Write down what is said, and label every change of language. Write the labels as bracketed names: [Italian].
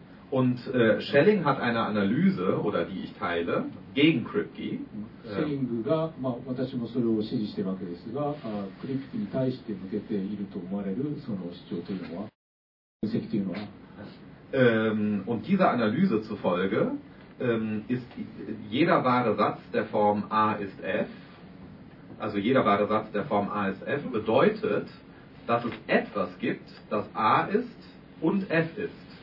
[German] Und Schelling hat eine Analyse, oder die ich teile, gegen Kripke. [Japanese] Schelling が、まあ、私もそれを支持しているわけですが、Kripke に対して向けていると思われるその主張というのは、分析というのは。 [German] Und dieser Analyse zufolge, ist jeder wahre Satz der Form A ist F, also jeder wahre Satz der Form A ist F, bedeutet, dass es etwas gibt, das A ist und F ist.